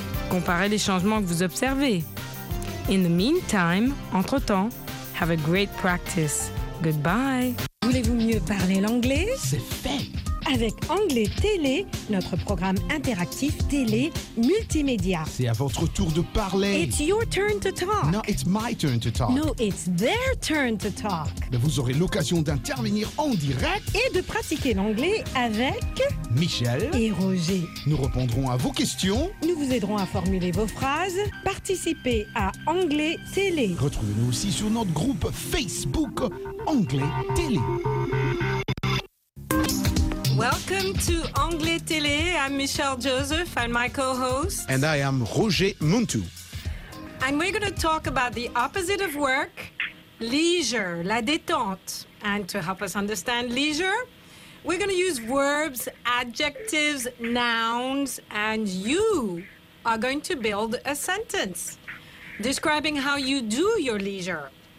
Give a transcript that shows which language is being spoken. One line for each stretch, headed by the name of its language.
French: Comparez les changements que vous observez.
English: In the meantime,
French: entre-temps,
English: have a great practice. Goodbye.
French: Voulez-vous mieux parler l'anglais? C'est fait! Avec Anglais Télé, notre programme interactif télé multimédia. C'est à votre tour de parler.
English: It's your turn to talk. No, it's my turn to talk. No, it's their turn to talk.
French: Mais vous aurez l'occasion d'intervenir en direct. Et de pratiquer l'anglais avec... Michel. Et Roger. Nous répondrons à vos questions. Nous vous aiderons à formuler vos phrases. Participez à Anglais Télé. Retrouvez-nous aussi sur notre groupe Facebook Anglais Télé.
English: Welcome to Anglais Télé. I'm Michelle Joseph. I'm my co-host. And I am Roger Muntou. And we're going to talk about the opposite of work, leisure,
French: la détente.
English: And to help us understand leisure, we're going to use verbs, adjectives, nouns, and you are going to build a sentence describing how you do your leisure.